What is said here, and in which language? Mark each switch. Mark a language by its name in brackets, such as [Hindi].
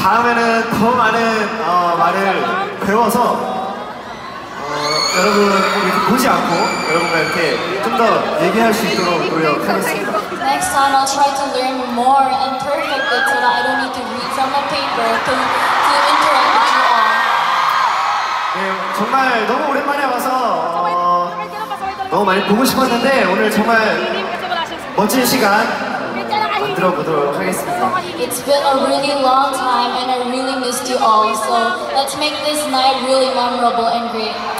[Korean] 다음에는 더 많은 말을 배워서 여러분 이렇게 보지 않고 여러분과 이렇게 좀 더 얘기할 수 있도록 노력하겠습니다. [English] Next time I'll try to learn more and perfect it so that I don't need to read from a paper to interact with you all. [Korean] 네, 정말 너무 오랜만에 와서 너무 많이 보고 싶었는데 오늘 정말 멋진 시간 만들어 보도록 하겠습니다. [English] It's been a really long time and I really missed you all. So let's make this night really memorable and great.